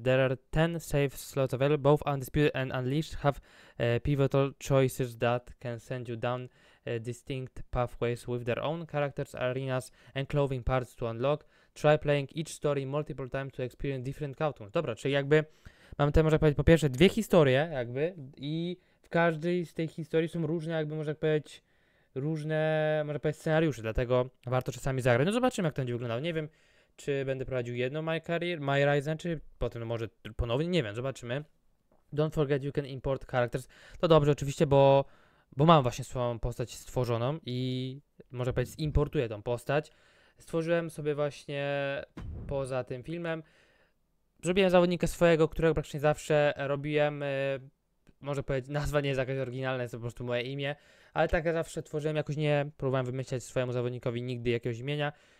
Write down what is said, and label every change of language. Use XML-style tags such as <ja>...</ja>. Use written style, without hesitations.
<en>There are 10 safe slots available. Both Undisputed and Unleashed have pivotal choices that can send you down distinct pathways with their own characters, arenas and clothing parts to unlock. Try playing each story multiple times to experience different outcomes.</en> <pl>Dobra, czyli jakby mamy tutaj, można powiedzieć, po pierwsze dwie historie jakby i w każdej z tej historii są różne, jakby można powiedzieć, różne, można powiedzieć, scenariusze, dlatego warto czasami zagrać. No zobaczymy, jak to będzie wyglądało. Nie wiem, czy będę prowadził jedno My Career, My Rise, czy potem może ponownie, nie wiem, zobaczymy.</pl> <en>Don't forget you can import characters.</en> <pl>To dobrze, oczywiście, bo mam właśnie swoją postać stworzoną i można powiedzieć, importuję tą postać. Stworzyłem sobie właśnie poza tym filmem. Zrobiłem zawodnika swojego, którego praktycznie zawsze robiłem. Może powiedzieć, nazwa nie jest jakaś oryginalna, jest to po prostu moje imię, ale tak ja zawsze tworzyłem, jakoś nie próbowałem wymyślać swojemu zawodnikowi nigdy jakiegoś imienia.</pl>